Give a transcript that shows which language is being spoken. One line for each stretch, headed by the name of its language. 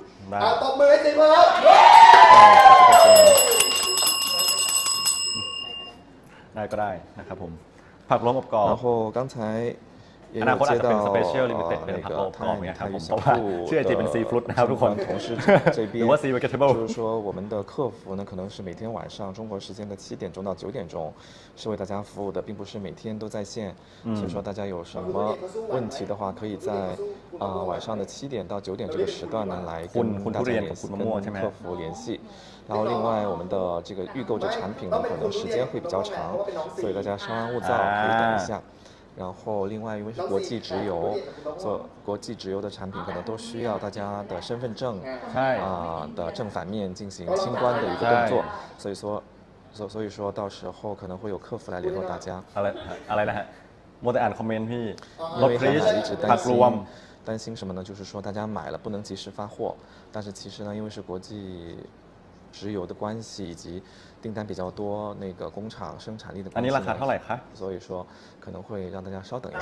Thai: ได้ตบมือให้ซีฟู้ดครับ ได้ก็ได้นะครับผมผักล้มอบกรอบ แล้วโค้ก็ใช้ อันนั้นก็อาจจะเป็นสเปเชียลลิมิเต็ดเป็นผักล้มอบกรอบเนี่ยครับผมเพราะว่าเชื่อจริงเป็นซีฟู้ดนะครับทุกคนหรือว่าซีเวกเทเบิล คือว่าเราของผู้ฝึกเนี่ย
Chinese: 可能是每天晚上中国时间的七点钟到九点钟是为大家服务的并不是每天都在线所以说大家有什么问题的话可以在晚上的七点到九点这个时段呢来跟大家联系跟客服联系然后另外我们的这个预购的产品呢可能时间会比较长所以大家稍安勿躁可以等一下然后另外因为是国际直邮做国际直邮的产品可能都需要大家的身份证的正反面进行清关的一个动作所以说到时候可能会有客服来联络大家
Thai: อะไรนะฮะโมเดิร์นคอมเมนต์พี่ ลบพลีสผักรวมตั้งใจ
Chinese: 什么呢就是说大家买了不能及时发货但是其实呢因为是国际石油的关系以及订单比较多那个工厂生产力的关系
Thai: อันนี้ราคาเท่าไหร่คะ
Chinese: 所以说可能会让大家稍等一下